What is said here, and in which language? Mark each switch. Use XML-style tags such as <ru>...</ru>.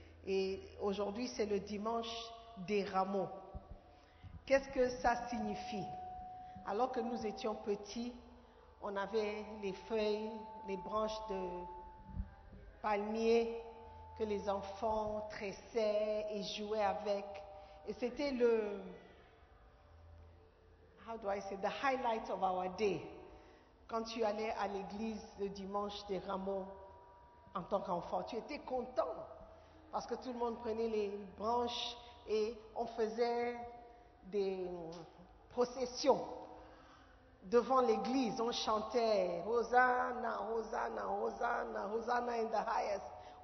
<fr>Et aujourd'hui, c'est le dimanche des rameaux. Qu'est-ce que ça signifie? Alors que nous étions petits, on avait les feuilles, les branches de palmiers que les enfants tressaient et jouaient avec. Et c'était le,</fr> <en>how do I say, the highlight of our day.</en> <fr>Quand tu allais à l'église le dimanche des rameaux en tant qu'enfant, tu étais content. Parce que tout le monde prenait les branches et on faisait des processions devant l'église. On chantait « Hosanna, Hosanna, Hosanna, Hosanna</fr> <en>in the highest ».</en>